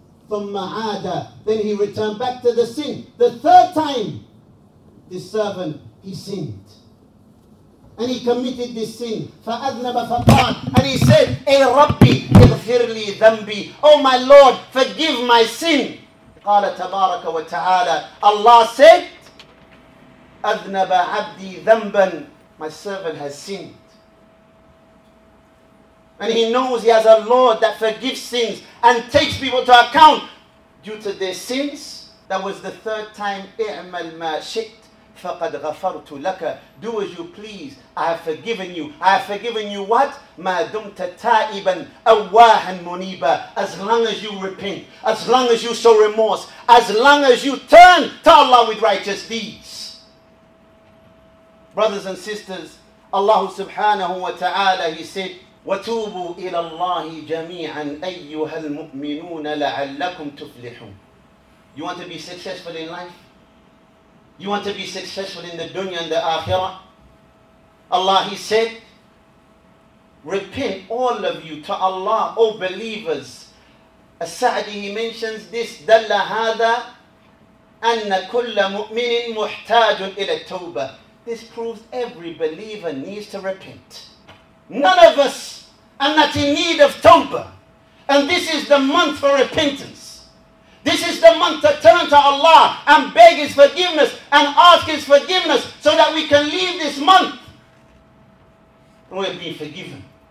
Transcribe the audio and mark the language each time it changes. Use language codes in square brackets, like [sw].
[en] Then he returned back to the sin. The third time, this servant, he sinned. And he committed this sin. And he said, Ey Rabbi, [ar] اغفر لي ذنبي. [en] Oh my Lord, forgive my sin. [ar] قال تبارك وتعالى. [en] Allah said, [ar] أذنب عبدي ذنبا. [en] My servant has sinned. And he knows he has a Lord that forgives sins and takes people to account due to their sins. That was the third time. [ar] اعمل ما شئت فقد غفرت لك. [en] Do as you please. I have forgiven you. I have forgiven you what? [ar] ما دمت تائبا أواها منيبا. [en] As long as you repent, as long as you show remorse, as long as you turn to Allah with righteous deeds. Brothers and sisters, Allah subhanahu wa ta'ala, He said, [ar] وَتُوبُوا إِلَى اللَّهِ جَمِيعًا أَيُّهَا الْمُؤْمِنُونَ لَعَلَّكُمْ تُفْلِحُونَ. [en] You want to be successful in life? You want to be successful in the dunya and the akhirah? Allah, He said, repent all of you to Allah, O believers. As-Sa'di, He mentions this, [ar] دَلَّ هَذَا أَنَّ كُلَّ مُؤْمِنٍ مُحْتَاجٌ إِلَى التَّوْبَةِ. [en] This proves every believer needs to repent. None of us are not in need of tawbah. And this is the month for repentance. This is the month to turn to Allah and beg His forgiveness and ask His forgiveness so that we can leave this month and we'll be forgiven.